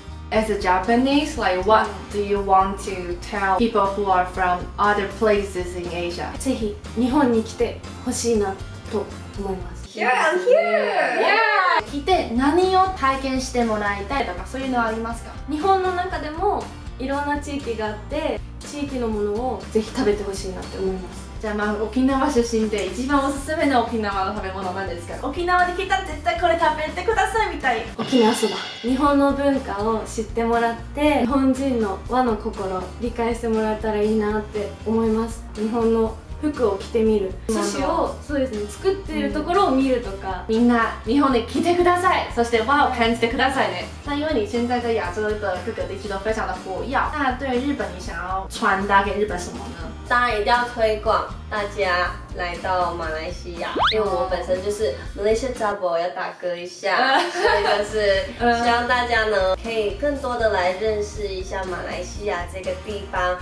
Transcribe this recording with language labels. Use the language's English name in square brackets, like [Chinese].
[English] As a Japanese, like what do you want to tell people who are from other places in Asia? [Japanese] ぜひ日本に来てほしいなと思います。 [English] Yeah, I'm here! [Japanese] Yeah! 来て何を体験してもらいたいとかそういうのはありますか？日本の中でもいろんな地域があって地域のものをぜひ食べてほしいなって思います。じゃあまあ沖縄出身で一番おすすめの沖縄の食べ物なんですか。沖縄に来たら絶対これ食べてくださいみたい。沖縄そば。日本の文化を知ってもらって日本人の和の心を理解してもらえたらいいなって思います。日本の服を着てみる。寿司をそうですね作っているところを見るとか。みんな日本で来てください。そして和を感じてくださいね。 [Chinese] 那因为你现在在亚洲的各个地区都非常的活跃，那对日本你想要传达给日本什么呢？当然一定要推广大家来到马来西亚，因为我本身就是 Malaysia Double 要打歌一下，所以就是希望大家呢可以更多的来认识一下马来西亚这个地方。